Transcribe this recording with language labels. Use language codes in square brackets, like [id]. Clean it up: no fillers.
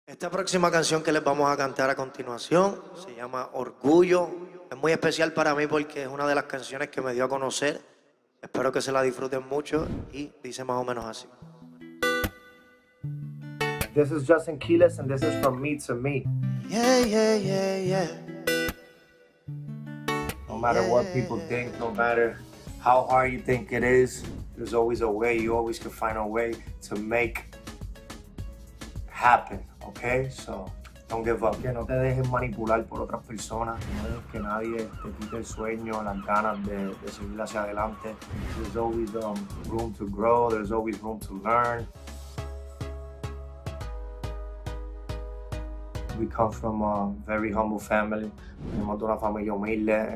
[es] Esta próxima canción que les vamos a cantar a continuación se llama Orgullo. Es muy especial para mí porque es una de las canciones que me dio a conocer. Espero que se la disfruten mucho y dice más o menos así. [en] This is Justin Quiles and this is From Me to Me. Yeah. No matter what people think, no matter how hard you think it is, there's always a way, you always can find a way to make happen. Okay, so don't give up. [es] Que no te dejes manipular por otras personas. No dejes que nadie te quite el sueño, las ganas de seguir hacia adelante. [en] There's always room to grow. There's always room to learn. We come from a very humble family. [es] Venimos de una familia humilde.